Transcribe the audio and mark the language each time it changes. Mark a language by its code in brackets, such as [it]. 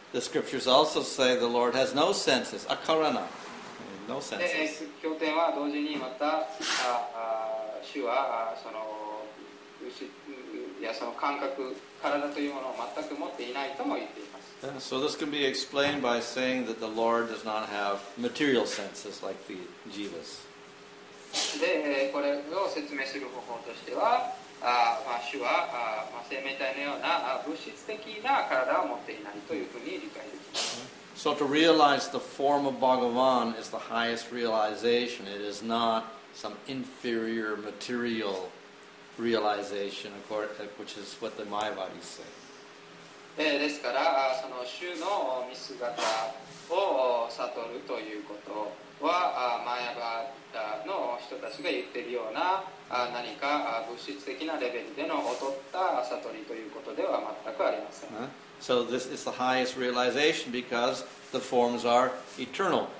[en] The scriptures also say the Lord has no senses, akarana, no senses. [ja] 経典は同時にまた主はその感覚、体というものを全く持っていないとも言っています。 [en] So this can be explained by saying that the Lord does not have material senses like the jivas. [ja] で、これを説明する方法としては、主は生命体のような物質的な体を持っていないというふうに理解できます。 [en] So to realize the form of Bhagavan is the highest realization. It is not some inferior material realization, which is what the Mayavadis say. [ja] ですから、その主の見姿を悟るということは、マヤバの人たちが言っているような何か物質的なレベルでの劣った悟りということでは全くありません。 [en] So this is the highest realization because the forms are eternal.